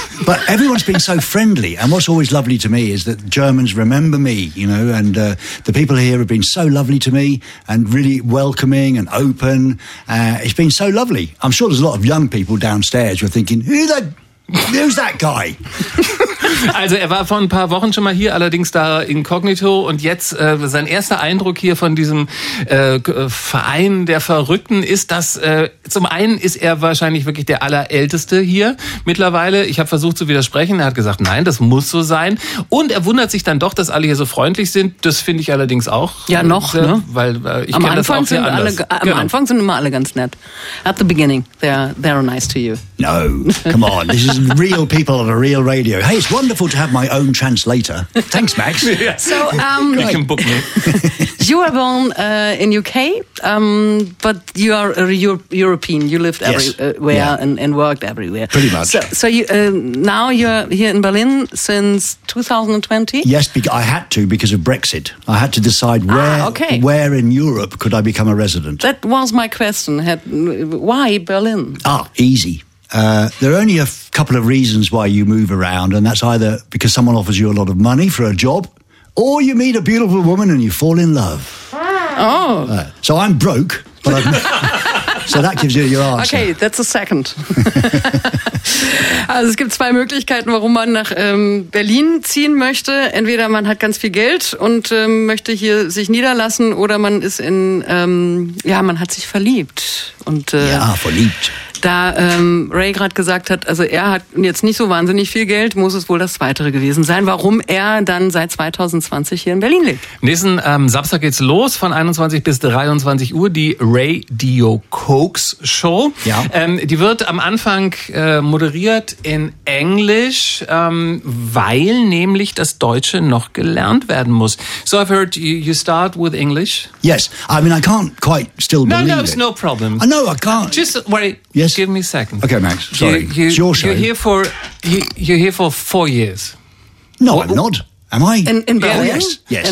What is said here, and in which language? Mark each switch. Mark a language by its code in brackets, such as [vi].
[en] But everyone's been so friendly. And what's always lovely to me is that the Germans remember me, you know, and the people here have been so lovely to me and really welcoming and open. It's been so lovely. I'm sure there's a lot of young people downstairs who are thinking, who's that guy? [de] Also er war vor ein paar Wochen schon mal hier, allerdings da inkognito. Und jetzt sein erster Eindruck hier von diesem Verein der Verrückten ist, dass zum einen ist er wahrscheinlich wirklich der Allerälteste hier mittlerweile. Ich habe versucht zu widersprechen, er hat gesagt, nein, das muss so sein. Und er wundert sich dann doch, dass alle hier so freundlich sind. Das finde ich allerdings auch. Ja, noch. Ne? Weil ich kenne das auch sehr anders. Anfang sind immer alle ganz nett. [en] At the beginning, they're nice to you. No, come on. This is real people on a real radio. Hey, it's wonderful to have my own translator. Thanks, Max. So, you can book me. You were born in UK, but you are a European. You lived everywhere and worked everywhere. Pretty much. So you, now you're here in Berlin since 2020? Yes, I had to because of Brexit. I had to decide where in Europe could I become a resident. That was my question. Why Berlin? Ah, easy. There are only a couple of reasons why you move around, and that's either because someone offers you a lot of money for a job, or you meet a beautiful woman and you fall in love. Oh. So I'm broke, but I've so that gives you your answer. Okay, that's a second. [de] Also es gibt zwei Möglichkeiten, warum man nach Berlin ziehen möchte. Entweder man hat ganz viel Geld und möchte hier sich niederlassen, oder man ist in, man hat sich verliebt. Und, verliebt. Da Ray gerade gesagt hat, also er hat jetzt nicht so wahnsinnig viel Geld, muss es wohl das Weitere gewesen sein, warum er dann seit 2020 hier in Berlin lebt. Nächsten Samstag geht's los von 21 bis 23 Uhr, die Radio Cokes Show. Ja. Die wird am Anfang moderiert in Englisch, weil nämlich das Deutsche noch gelernt werden muss. [en] So I've heard you start with English. Yes, I mean I can't quite still believe it. No, it's no problem. I know, I can't. Just worry. Yes. Give me a second. Okay, Max. Sorry. It's your show. You're here for 4 years. No, I'm not. Am I? In Berlin? Oh, yes. Yes.